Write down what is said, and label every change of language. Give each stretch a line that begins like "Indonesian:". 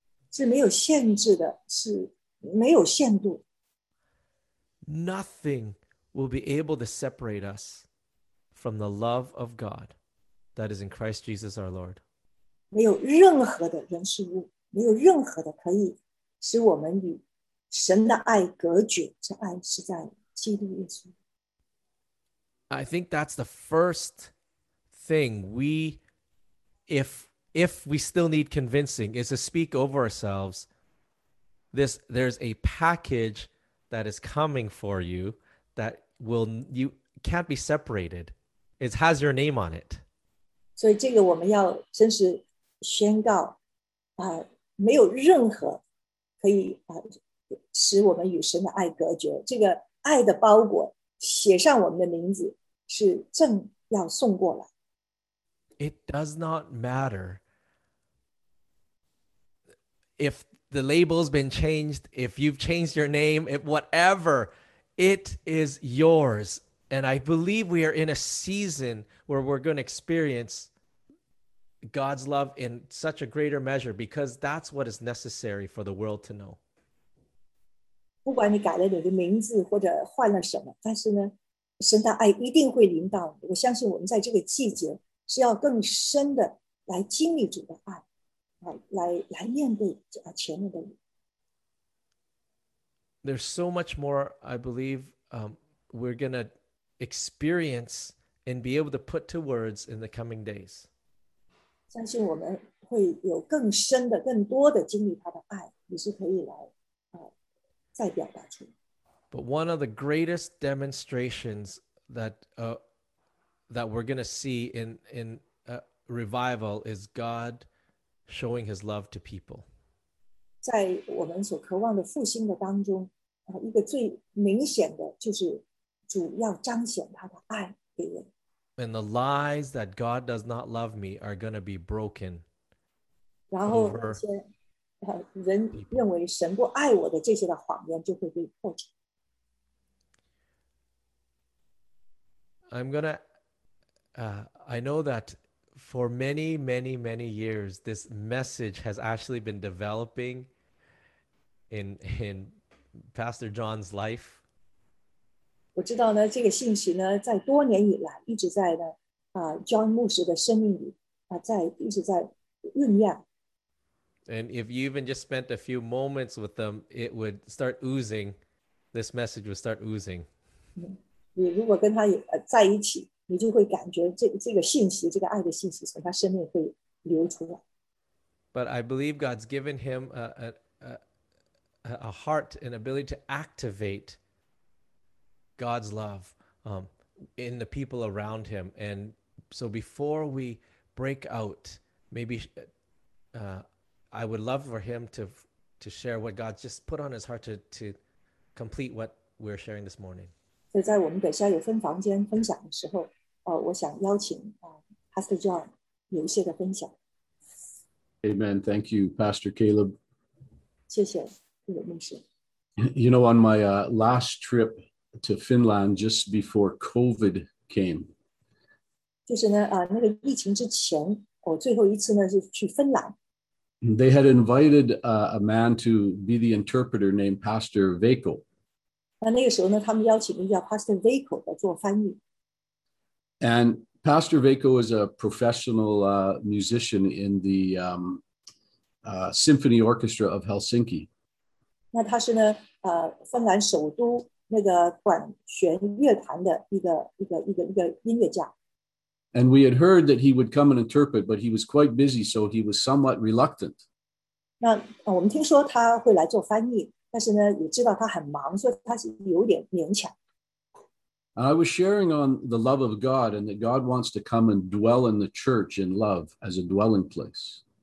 Chinese: 是没有限制的，是没有限度。
English: Nothing will be able to separate us from the love of God that is in Christ Jesus our Lord.
Chinese: 没有任何的人事物，没有任何的可以使我们与神的爱隔绝，这爱是在基督耶稣。
English: I think that's the first thing we... If we still need convincing, is to speak over ourselves, there's a package that is coming for you that you can't be separated. It has your name on it.
Chinese: 所以这个我们要真是宣告，没有任何可以使我们与神的爱隔绝。这个爱的包裹写上我们的名字是正要送过来。
English: It does not matter if the label's been changed, if you've changed your name, if whatever, it is yours. And I believe we are in a season where we're going to experience God's love in such a greater measure because that's what is necessary for the world to know.
Chinese: 不管你改了你的名字或者换了什么，但是呢，神的爱一定会临到你。我相信我们在这个季节是要更深的来经历主的爱，来面对前面的你。
English: There's so much more, I believe, we're going to experience and be able to put to words in the coming days.
Chinese: 相信我们会有更深的、更多的经历他的爱，你是可以来再表达出。
English: But one of the greatest demonstrations that we're going to see in revival is God showing his love to people.
Chinese: 在我们所渴望的复兴的当中，一个最明显的就是主要彰显他的爱给人。
English: And the lies that God does not love me are going to be broken.
Chinese: 然后那些人认为神不爱我的这些的谎言就会被破除。
English: I know that for many, many, many years, this message has actually been developing in Pastor John's life.
Chinese: 我知道呢，这个信息呢，在多年以来一直在呢，John 牧师的生命里在一直在酝酿。
English: And if you even just spent a few moments with them, it would start oozing. This message would start oozing.
Chinese: 你如果跟他在一起。你就会感觉这个信息，这个爱的信息从他生命会流出来。
English: But I believe God's given him a heart and ability to activate God's love in the people around him. And so before we break out, maybe I would love for him to share what God's just put on his heart to complete what we're sharing this morning.
Chinese: 所以在我们等下有分房间分享的时候。我想邀请Pastor John 有一些的分享。
English: Amen. Thank you, Pastor Caleb.
Chinese: 谢谢这个牧师。
English: You know, on my last trip to Finland just before COVID came.
Chinese: 就是呢，那个疫情之前，我最后一次呢是去芬兰。
English: They had invited a man to be the interpreter named Pastor Vakil.
Chinese: 那个时候呢, 他们邀请了叫 Pastor Vakil 来做翻译。
English: And Pastor Vakil was a professional musician in the symphony orchestra of Helsinki.
Chinese: 那他是呢, 芬兰首都那个管弦乐团的一个音乐家。
English: And we had heard that he would come and interpret, but he was quite busy, so he was somewhat reluctant.
Chinese: 那我们听说他会来做翻译，但是呢，也知道他很忙，所以他是有点勉强。
English: I was sharing on the love of God and that God wants to come and dwell in the church in love as a dwelling place.